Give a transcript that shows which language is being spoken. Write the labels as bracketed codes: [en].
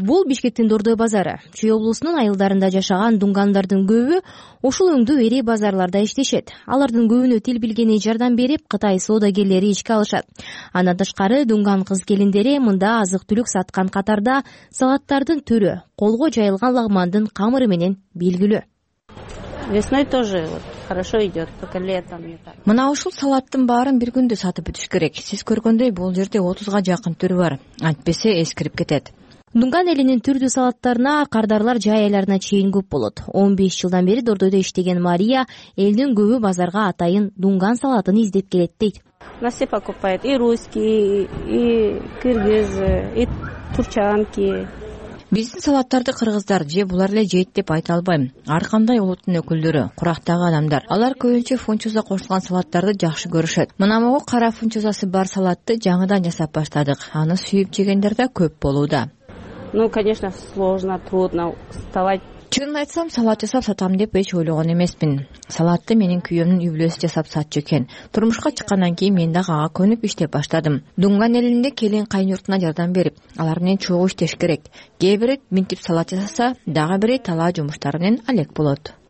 [ky] Бул Бишкектин Дордой базары. Чүй облусунун айылдарында жашаган дунгандардын көбү ушул өңдүү ири базарларда иштешет. Алардын көбүнө тил билгени жардам берип, Кытай соодагерлери ишке алышат. Андан тышкары дунган кыз келиндери мында азык түлүк саткан катарда салаттардын түрү, колго жайылган лагмандын камыры менен белгилүү. [ru] Весной тоже хорошо идет, только летом не так. [ky] Мына ушул салаттын баарын бир күндө сатып бүтүш керек. Сиз көргөндөй бул жерде 30га жакын түрү бар. Антпесе эскирип кетет. Дунган элинин түрдүү салаттарына кардарлар жай айларына чейин көп болот. 15 жылдан бери Дордойдо иштеген Мария элдин көбү базарга атайын дунган салатын издеп келет дейт. [ru] Насе покупает и русский, и кыргыз, и турчанки. [ky] Биздин салаттарды кыргыздар же булар эле жейт деп айта албайм. Ар кандай улуттун өкүлдөрү, курактагы адамдар, алар көбүнчө фунчуза кошулган салаттарды жакшы көрүшөт. Мына могу кара фунчузасы бар салатты жаңыдан жасап баштадык. Аны сүйүп жегендер да көп болууда. [ru] Ну, конечно, сложно, трудно вставать. [ky] Чынын айтсам, салат жасап сатам деп эч ойлогон эмесмин. Салатты менин күйөөмдүн үй бүлөсү жасап сатчу экен. Турмушка чыккандан кийин мен дагы ага көнүп иштеп баштадым. Дунган элинде келин кайынуртуна жардам берип, алар менен чогуу иштеш керек. Кээ бири минтип салат жасаса, дагы бири талаа жумуштары менен алек болот.